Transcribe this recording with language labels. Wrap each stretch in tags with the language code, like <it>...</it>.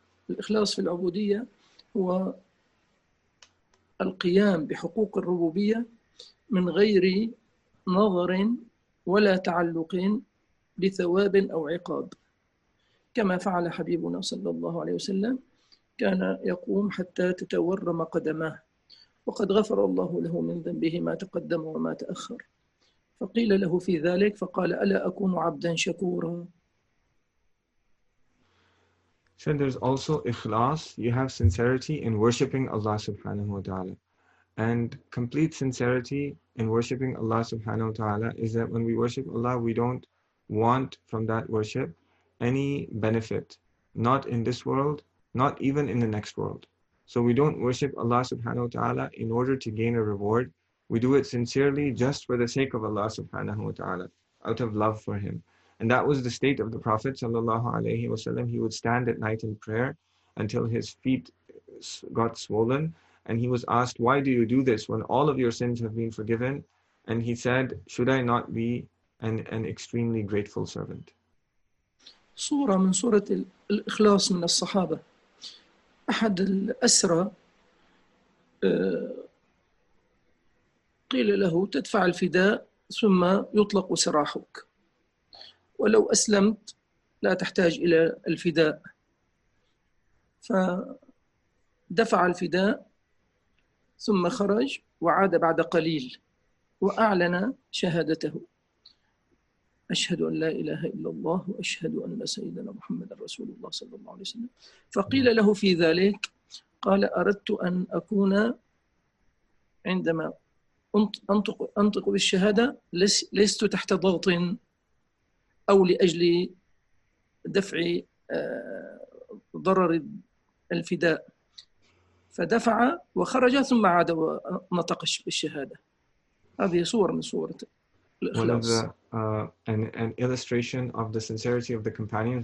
<ar>الإخلاص في العبودية هو القيام بحقوق الربوبية من غير نظر ولا تعلق بثواب أو عقاب، كما فعل حبيبنا صلى الله عليه وسلم، كان يقوم حتى تتورم قدماه، وقد غفر الله له من ذنبه ما تقدم وما تأخر. فقيل له في ذلك فقال: ألا أكون عبدا شكورا.</ar> <en>So there's also ikhlas. You have sincerity in worshipping Allah subhanahu wa ta'ala. And complete sincerity in worshipping Allah subhanahu wa ta'ala is that when we worship Allah, we don't want from that worship any benefit, not in this world, not even in the next world. So we don't worship Allah subhanahu wa ta'ala in order to gain a reward. We do it sincerely just for the sake of Allah subhanahu wa ta'ala, out of love for Him. And that was the state of the Prophet sallallahu alayhi wa sallam. He would stand at night in prayer until his feet got swollen. And he was asked, why do you do this when all of your sins have been forgiven? And he said, should I not be an extremely grateful servant?</en> <ar>صورة من صورة الإخلاص من الصحابة. أحد الأسرى قيل له تدفع الفداء ثم يطلق سراحك، ولو أسلمت لا تحتاج إلى الفداء. فدفع الفداء ثم خرج وعاد بعد قليل وأعلن شهادته: أشهد أن لا إله إلا الله وأشهد أن سيدنا محمد رسول الله صلى الله عليه وسلم. فقيل له في ذلك قال: أردت أن أكون عندما أنطق بالشهادة لست تحت ضغط أو لأجل دفع ضرر الفداء. فدفع وخرج ثم عاد ونطق بالشهادة. هذه صور من صورة الإخلاص.</ar> <en>One of the, an illustration of the sincerity of the companions.</en>